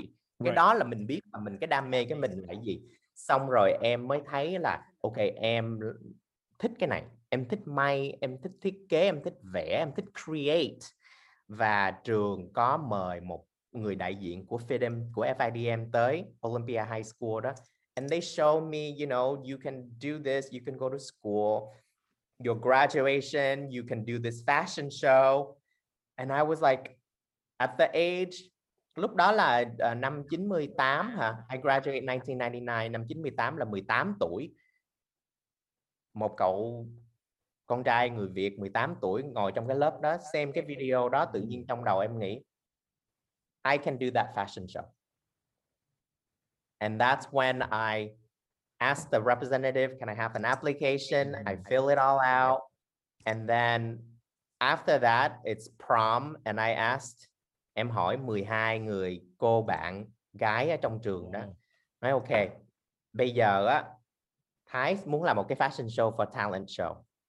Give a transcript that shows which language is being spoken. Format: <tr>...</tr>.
<vi>Cái right. Đó là mình biết là mình cái đam mê cái mình là cái gì. Xong rồi em mới thấy là ok, em thích cái này. Em thích may, em thích thiết kế, em thích vẽ, em thích create. Và trường có mời một người đại diện của FIDM, của FIDM tới Olympia High School đó.</vi> <en>And they show me, you know, you can do this, you can go to school, your graduation, you can do this fashion show. And I was like, at the age,</en> <vi>lúc đó là năm 98 hả?</vi> <en>I graduated 1999,</en> <vi>năm 98 là 18 tuổi. Một cậu con trai người Việt 18 tuổi ngồi trong cái lớp đó, xem cái video đó, tự nhiên trong đầu em nghĩ,</vi> <en>I can do that fashion show. And that's when I asked the representative, can I have an application? I fill it all out. And then after that, it's prom. And I asked,</en> <vi>em hỏi 12 người cô bạn gái ở trong trường đó. Nói ok, bây giờ á, Thái muốn làm một cái fashion show</vi> <en>for talent show.</en>